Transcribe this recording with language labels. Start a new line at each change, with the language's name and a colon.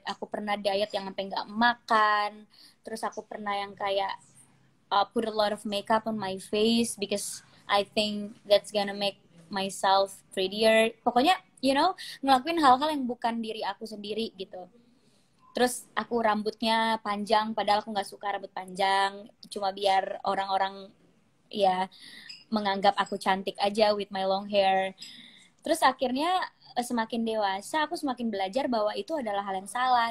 Indonesian: Aku pernah diet yang sampai gak makan. Terus aku pernah yang kayak
English: put a lot of makeup on my face because I think that's gonna make myself prettier.
Indonesian: Pokoknya,
English: you know,
Indonesian: ngelakuin hal-hal yang bukan diri aku sendiri gitu. Terus aku rambutnya panjang, padahal aku gak suka rambut panjang. Cuma biar orang-orang ya menganggap aku cantik aja
English: with my long hair.
Indonesian: Terus akhirnya semakin dewasa, aku semakin belajar bahwa itu adalah hal yang salah.